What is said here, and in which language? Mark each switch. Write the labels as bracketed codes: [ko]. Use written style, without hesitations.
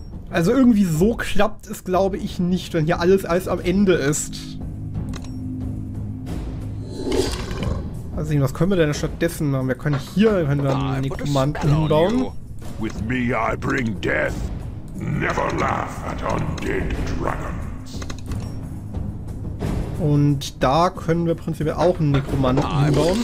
[de] Also irgendwie so klappt es, glaube ich, nicht, wenn hier alles am Ende ist. Also was können wir denn stattdessen machen? Wir können hier einen Nekromanten hinbauen. [en] With me I bring death. Never laugh at undead dragons. [de] Und da können wir prinzipiell auch einen Nekromanten hinbauen.